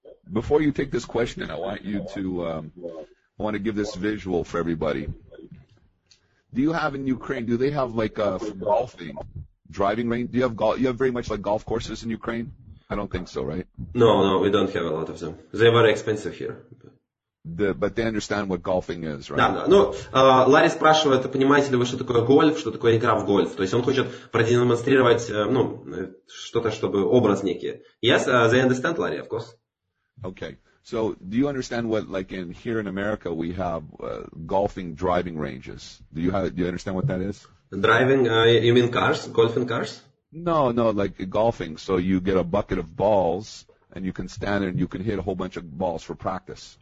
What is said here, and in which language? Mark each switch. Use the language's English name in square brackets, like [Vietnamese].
[English] Before you take this question, I want you to... I want to give this visual for everybody. Do you have in Ukraine, do they have like a golfing, driving range? Do you have golf? You have very much like golf courses in Ukraine? I don't think so, right? No, we don't have a lot of them. They're very expensive here. But they understand what golfing is, right? [Russian] Да, да. Ну, Ларри спрашивает, понимаете ли вы, что такое гольф, что такое игра в гольф. То есть он хочет продемонстрировать, ну, что-то, чтобы образ некий. [English] Yes, they understand, Larry, of course. Okay. So, do you understand what, like, in here in America, we have golfing driving ranges? Do you understand what that is? Driving? You mean cars? Golfing cars? No, like golfing. So you get a bucket of balls, and you can stand there and you can hit a whole bunch of balls for practice.